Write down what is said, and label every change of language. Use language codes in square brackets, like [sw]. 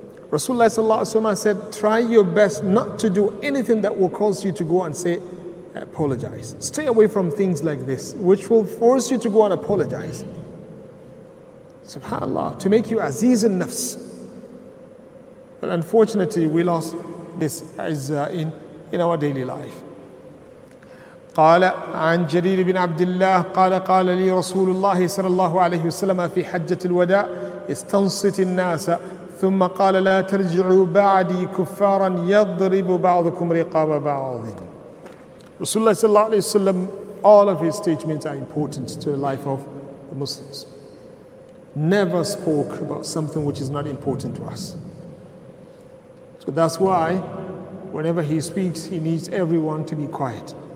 [en] Rasulullah sallallahu alaihi wasallam said, try your best not to do anything that will cause you to go and say apologize. Stay away from things like this, which will force you to go and apologize. SubhanAllah, to make you aziz in nafs. But unfortunately, we lost this izzah in our daily life. [ar] قال عن جرير بن عبد الله قال قال لي رسول الله صلى الله عليه وسلم في حجة الوداع استنصت الناس ثم قال لا ترجعوا بعدي كفارا يضرب بعضكم رقاب بعض. رسول الله صلى الله عليه وسلم, [en] all of his statements are important to the life of the Muslims. Never spoke about something which is not important to us. So that's why whenever he speaks, he needs everyone to be quiet.